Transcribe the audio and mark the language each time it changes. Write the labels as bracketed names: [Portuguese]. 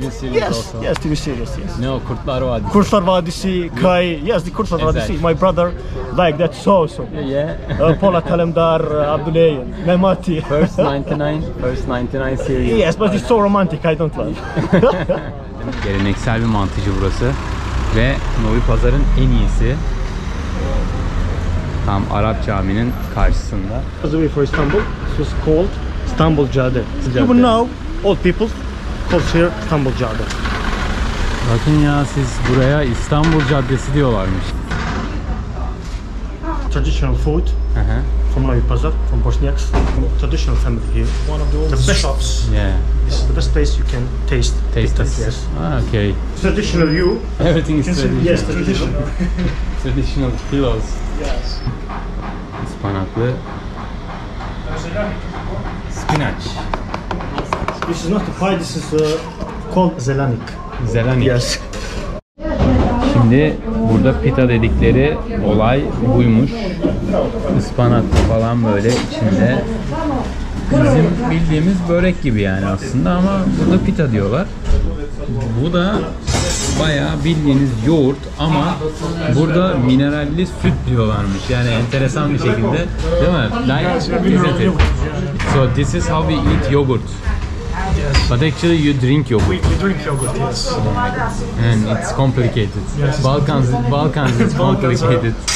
[English] TV series, yes, also. Yes, TV series, yes. No, Kurtlar Vadisi. Kurtlar Vadisi, Kai, yes, the Kurtlar Vadisi, my brother, like that, so. Yeah. Polat Alemdar, Abdulay, Mehmati. First 99 series. Yes, but it's so romantic, I don't like. [Turkish] Geleneksel bir mantıcı burası ve Novi Pazar'ın en iyisi. Tam Arap Cami'nin karşısında. [English] As we for Istanbul, this was called Istanbul Cadde. Even now, old people call here Istanbul Cadde. [Turkish] Bakın ya, siz buraya İstanbul Caddesi diyorlarmış. [English] Traditional food from Novi Pazar, from Bosniaks. Traditional family here. One of the best shops. Yeah. This is the best place you can taste it. Yes. Ah, okay. Traditional you. Everything is traditional. Yes, traditional. Traditional pillows. Yes. [Turkish] Ispanaklı. [English] Spinach. This is not a pie, this is called zelanik. Zelanik. Yes. [Turkish] Şimdi burada pita dedikleri olay buymuş. Ispanaklı falan böyle içinde. Bizim bildiğimiz börek gibi yani aslında ama burada pita diyorlar. Bu da bayağı bildiğiniz yoğurt ama burada mineralli süt diyorlarmış. Yani enteresan bir şekilde, değil mi? [English] Like, so this is how we eat yogurt. Yes. But actually you drink yogurt. We drink yogurt, yes. And it's complicated. Yes. Balkans is complicated.